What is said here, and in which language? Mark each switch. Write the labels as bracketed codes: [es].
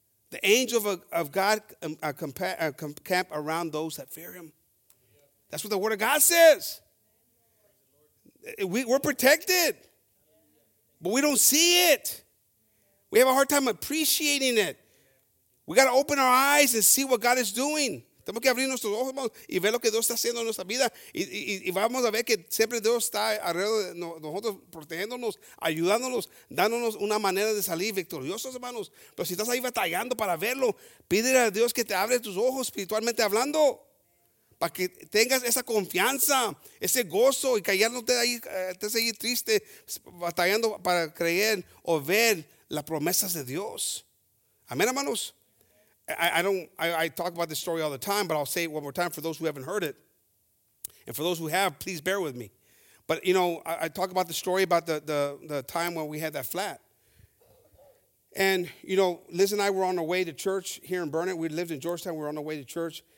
[en] The angel of God camp around those that fear Him. That's what the Word of God says. We're protected, but we don't see it. We have a hard time appreciating it. We got to open our eyes and see what God is doing. [es] Tenemos que abrir nuestros ojos y ver lo que Dios está haciendo en nuestra vida. Y vamos a ver que siempre Dios está alrededor de nosotros, protegiéndonos, ayudándonos, dándonos una manera de salir victoriosos, hermanos. Pero si estás ahí batallando para verlo, pídele a Dios que te abra tus ojos espiritualmente hablando, para que tengas esa confianza, ese gozo, y que ya no te seguir triste batallando para creer o ver las promesas de Dios. Amén, hermanos. [en] I talk about this story all the time, but I'll say it one more time for those who haven't heard it. And for those who have, please bear with me. But, you know, I talk about the story about the time when we had that flat. And, you know, Liz and I were on our way to church here in Burnett. We lived in Georgetown. We were on our way to church.